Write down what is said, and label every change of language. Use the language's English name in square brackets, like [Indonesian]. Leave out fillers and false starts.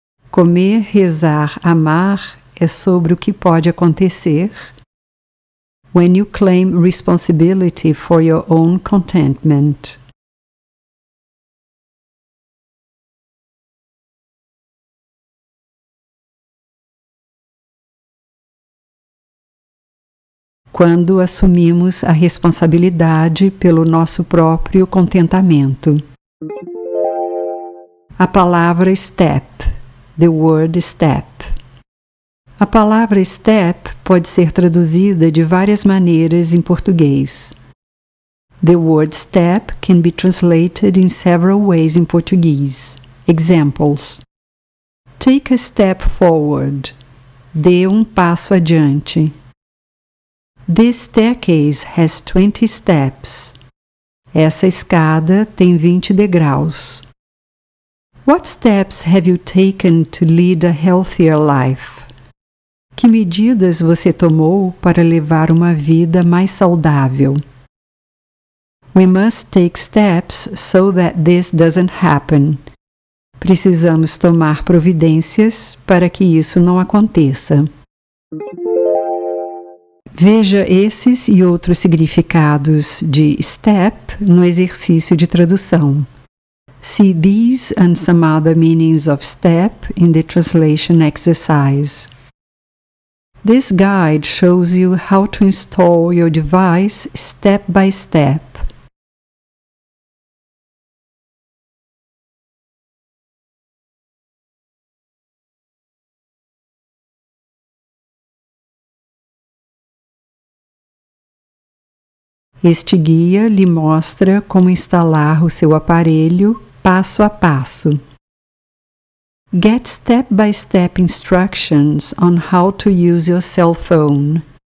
[Portuguese] Comer, rezar, amar é sobre o que pode acontecer [English] when you claim responsibility for your own contentment. [Portuguese] Quando assumimos a responsabilidade pelo nosso próprio contentamento. A palavra step. [English] The word step. [Portuguese] A palavra step pode ser traduzida de várias maneiras em português. [English] The word step can be translated in several ways in Portuguese. Examples. Take a step forward. [Portuguese] Dê um passo adiante. [English] This staircase has 20 steps. [Portuguese] Essa escada tem 20 degraus. [English] What steps have you taken to lead a healthier life? [Portuguese] Que medidas você tomou para levar uma vida mais saudável? [English] We must take steps so that this doesn't happen. [Portuguese] Precisamos tomar providências para que isso não aconteça. Veja esses e outros significados de step no exercício de tradução. [English] See these and some other meanings of step in the translation exercise. This guide shows you how to install your device step by step. [Portuguese] Este guia lhe mostra como instalar o seu aparelho passo a passo. [English] Get step-by-step instructions on how to use your cell phone.